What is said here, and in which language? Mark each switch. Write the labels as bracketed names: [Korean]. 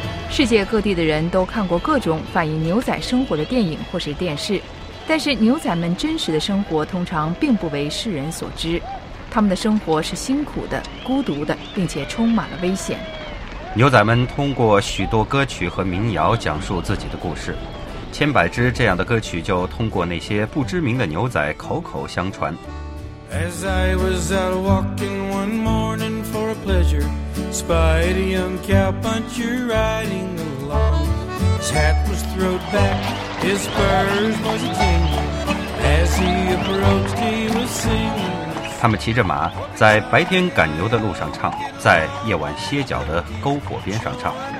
[Chinese] 世界各地的人都看过各种反映牛仔生活的电影或是电视，但是牛仔们真实的生活通常并不为世人所知，他们的生活是辛苦的、孤独的，并且充满了危险。牛仔们通过许多歌曲和民谣讲述自己的故事，千百支这样的歌曲就通过那些不知名的牛仔口口相传。 [English] As I was out walking one morning for a pleasure, spied a young cowpuncher riding along. His hat was thrown back, his spurs was jingling. As he approached, he was singing. [Chinese] 他们骑着马，在白天赶牛的路上唱，在夜晚歇脚的篝火边上唱。